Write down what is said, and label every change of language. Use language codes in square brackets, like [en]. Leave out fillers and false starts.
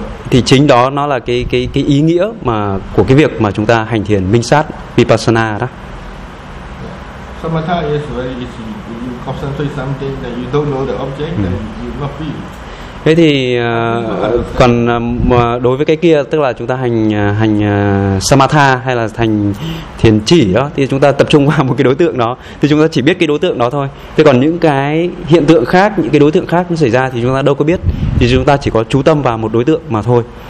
[vi] Thì chính đó nó là cái ý nghĩa mà của cái việc mà chúng ta hành thiền minh sát vipassana đó. [en] Samatha is very easy. You concentrate something that you don't know the object, then you not feel. [vi] Thế thì còn đối với cái kia, tức là chúng ta hành samatha hay là hành thiền chỉ đó, thì chúng ta tập trung vào một cái đối tượng đó, thì chúng ta chỉ biết cái đối tượng đó thôi. Thế còn những cái hiện tượng khác, những cái đối tượng khác nó xảy ra thì chúng ta đâu có biết, thì chúng ta chỉ có chú tâm vào một đối tượng mà thôi.